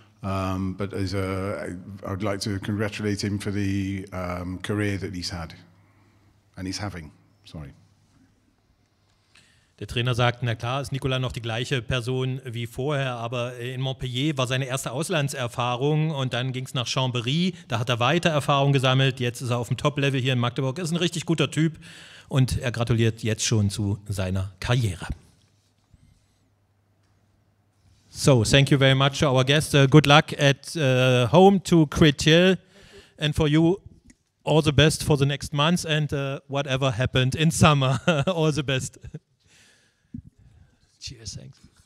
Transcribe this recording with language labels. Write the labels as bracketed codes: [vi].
[en] But as I would like to congratulate him for the career that he's had and he's having. Sorry. [de] Der Trainer sagt, na klar, ist Nicola noch die gleiche Person wie vorher, aber in Montpellier war seine erste Auslandserfahrung und dann ging es nach Chambéry, da hat er weiter Erfahrung gesammelt, jetzt ist er auf dem Top-Level hier in Magdeburg, ist ein richtig guter Typ und er gratuliert jetzt schon zu seiner Karriere. [en] So, thank you very much to our guests. Good luck at home to Créteil. And for you, all the best for the next month and whatever happened in summer. All the best. Cheers, thanks.